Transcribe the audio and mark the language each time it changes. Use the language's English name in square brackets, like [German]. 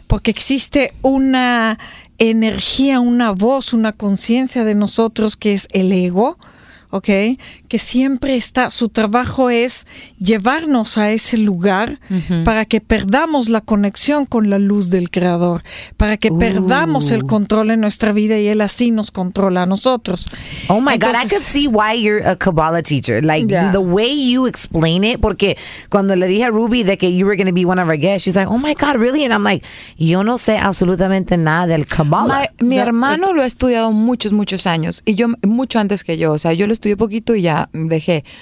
[Spanish] Porque existe una energía, una voz, una conciencia de nosotros que es el ego, okay, que siempre está, su trabajo es llevarnos a ese lugar para que perdamos la conexión con la luz del Creador, para que perdamos el control en nuestra vida y Él así nos controla a nosotros. [English] Oh my God, I could see why you're a Kabbalah teacher. Like, yeah, the way you explain it, [Spanish] porque cuando le dije a Rubi de que [English] you were going to be one of our guests, she's like, oh my God, really? And I'm like, [Spanish] yo no sé absolutamente nada del Kabbalah. Mi hermano lo ha estudiado muchos años, y yo, mucho antes que yo, o sea, yo lo estudié poquito y ya dejé.